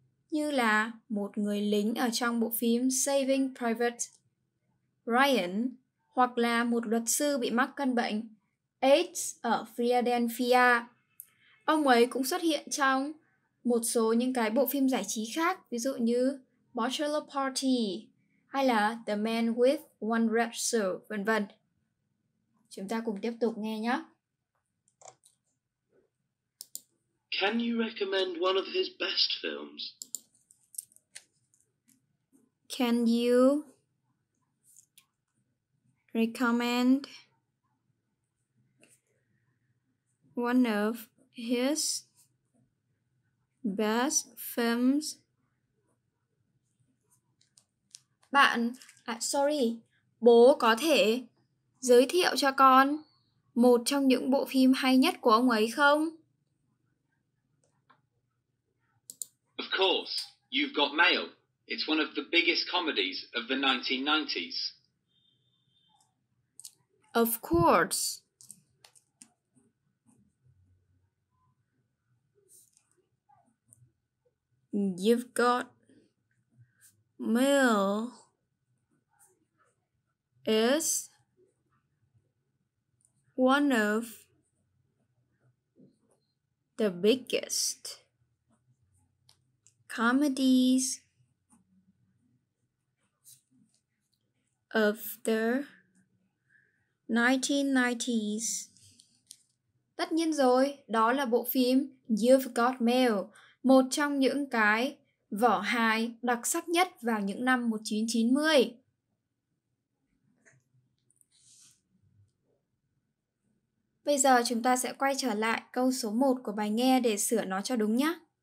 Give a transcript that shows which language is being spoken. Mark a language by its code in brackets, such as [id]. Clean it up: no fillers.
[vi] Như là một người lính ở trong bộ phim Saving Private Ryan, hoặc là một luật sư bị mắc căn bệnh AIDS ở Philadelphia. Ông ấy cũng xuất hiện trong một số những cái bộ phim giải trí khác, ví dụ như Bachelor Party hay là The Man with One Red Shoe, vân vân. Chúng ta cùng tiếp tục nghe nhé. [en] Can you recommend one of his best films? Can you recommend one of his best films? [vi] Bạn, bố có thể giới thiệu cho con một trong những bộ phim hay nhất của ông ấy không? [en] Of course, You've Got Mail. It's one of the biggest comedies of the 1990s. Of course. You've You've got mail is one of the biggest comedies of the 1990s. [vi] Tất nhiên rồi, đó là bộ phim You've Got Mail, một trong những cái vở hài đặc sắc nhất vào những năm 1990. Bây giờ chúng ta sẽ quay trở lại câu số 1 của bài nghe để sửa nó cho đúng nhé.